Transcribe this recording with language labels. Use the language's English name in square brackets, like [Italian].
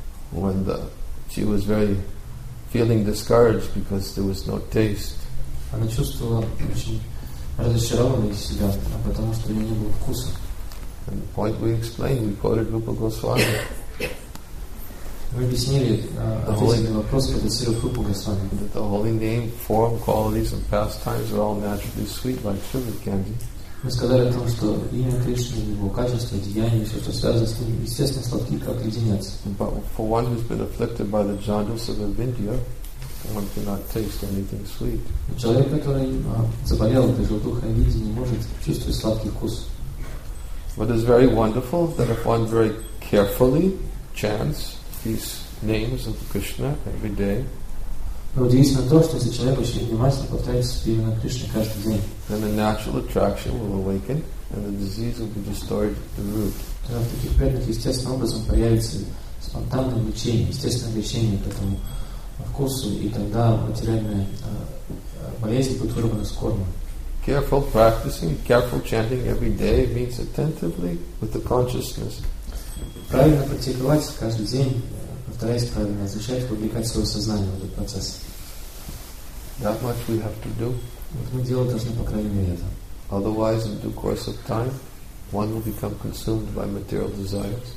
[English] When she was very feeling discouraged because there was no taste. [Russian] Она чувствовала очень разочарованной себя, потому что у нее не было вкуса. [English] And the point we explained, we quoted Rupa Goswami. [Russian] Вы объяснили ответственный вопрос, процитировав Рупу Госвами. [English] That the holy name, form, qualities, and pastimes are all naturally sweet like sugar candy. [Russian] Мы сказали о том, что имя Кришны, его качество, деяния, все, что связано с ним, естественно, сладкие, как леденец. [English] But for one who's been afflicted by the jaundice of Avidya, one cannot taste anything sweet. [Russian] Человек, который заболел этой желтухой Авидьи, не может чувствовать сладкий вкус. [English] But it's very wonderful that if one very carefully chants these names of Krishna every day, [Russian] Но удивительно то, что если человек очень внимательно повторяется именно Кришне каждый день, [English] then the natural attraction will awaken and the disease will be destroyed at the root. [Russian] Тогда в таких преданных естественным образом появится спонтанное лечение, естественное лечение к этому вкусу, и тогда материальная болезнь будет вырвана с корнем. [English] Careful practicing, careful chanting every day means attentively with the consciousness. [Russian] Правильно практиковать каждый день, повторяясь правильно, означает вовлекать свое сознание в этот процесс. [English] That much we have to do. [Russian] Вот мы делать должны по крайней мере это. [English] Otherwise, in due course of time, one will become consumed by material desires.